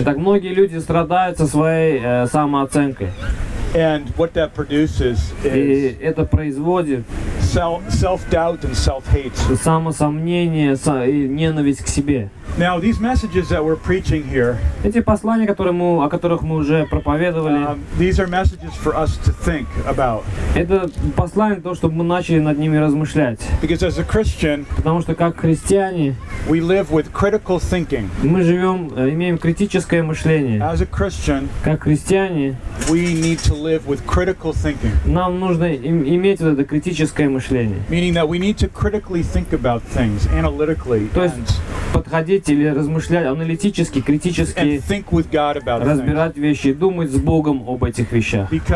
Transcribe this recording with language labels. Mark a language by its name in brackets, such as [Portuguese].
[Russian] Итак, многие люди страдают со своей самооценкой. [English] And what that produces is [Russian] это производит [English] self-doubt and self-hate. [Russian] Самосомнение и ненависть к себе. [English] Now these messages that we're preaching here. [Russian] Эти послания, о которых мы уже проповедовали. [English] These are messages for us to think about. [Russian] Это послание то, чтобы мы начали над ними размышлять. [English] Because as a Christian, [Russian] потому что как христиане, [English] we live with critical thinking. [Russian] Мы живем, имеем критическое мышление. [English] As a Christian, [Russian] как христиане, [English] we need to live with critical thinking. [Russian] Нам нужно иметь вот это критическое мышление. [English] Meaning that we need to critically think about things analytically. [Russian] То есть подходить или размышлять аналитически, критически, разбирать вещи, думать с Богом об этих вещах.